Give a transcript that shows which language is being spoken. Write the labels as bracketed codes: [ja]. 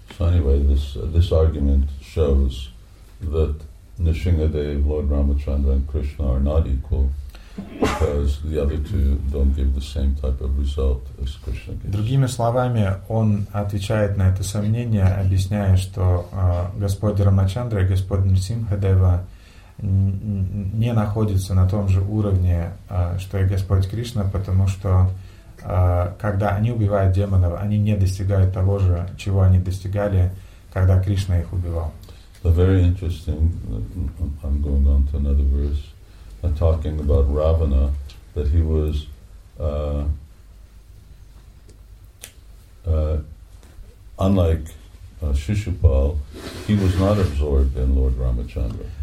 [en] So anyway, this argument shows that Nrisimhadev, Lord Ramachandra and Krishna are not equal because the other two don't give the same type of result as Krishna gives. [ru] Другими словами, он отвечает на это сомнение, объясняя, что Господь Рамачандра и Господь Нрисимхадева не находится на том же уровне, что и Господь Кришна, потому что когда они убивают демонов, они не достигают того же, чего они достигали, когда Кришна их убивал. [en] The very interesting, I'm going on to another verse, talking about Ravana, that he was unlike Shishupal, he was not absorbed in Lord Ramachandra.